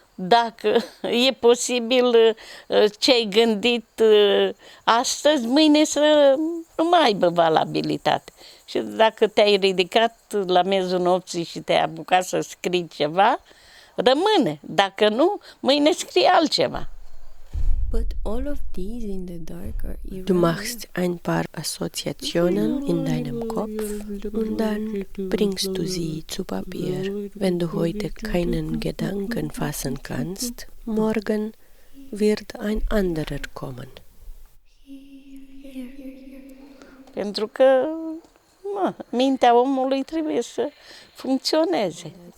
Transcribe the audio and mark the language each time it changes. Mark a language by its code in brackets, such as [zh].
[ro] Dacă e posibil ce ai gândit astăzi, mâine să nu mai aibă valabilitate. Și dacă te-ai ridicat la miezul nopții și te-ai apucat să scrii ceva, rămâne. Dacă nu, mâine scrii altceva. [en] But all of these in the dark are irrelevant. [de] Du machst ein paar Assoziationen in deinem Kopf und dann bringst du sie zu Papier. Wenn du heute keinen Gedanken fassen kannst, morgen wird ein anderer kommen. [ro] Pentru că mintea omului trebuie să funcționeze.